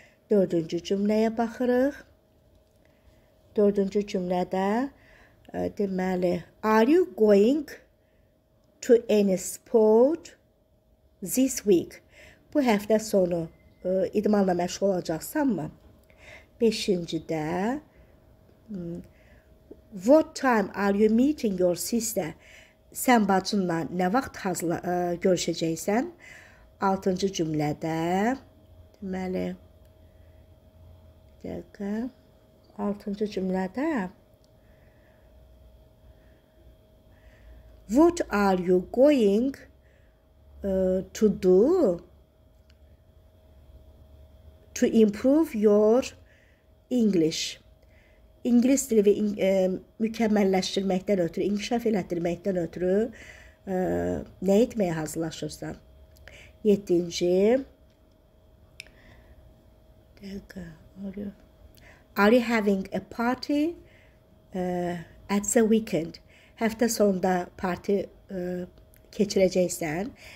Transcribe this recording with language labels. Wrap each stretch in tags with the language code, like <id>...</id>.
<az>Dördüncü cümleye bakırıq. Dördüncü cümlədə deməli,</az> <en>are you going to any sport this week?</en> <az>Bu həftə sonu idmanla məşğul olacaqsan mı? Beşincidə,</az> <en>what time are you meeting your sister?</en> <az>Sən bacınla nə vaxt görüşəcəksən? Altıncı cümlədə, deməli, altıncı cümlədə,</az> <en>what are you going to do to improve your English?</en> <az>İngiliz dili və mükəmməlləşdirməkdən ötürü, inkişaf elətdirməkdən ötürü nə etməyə hazırlaşırsan? Yedinci.</az> <en>Are you having a party at the weekend?</en> <az>Həftə sonunda parti keçirəcəksən.</az>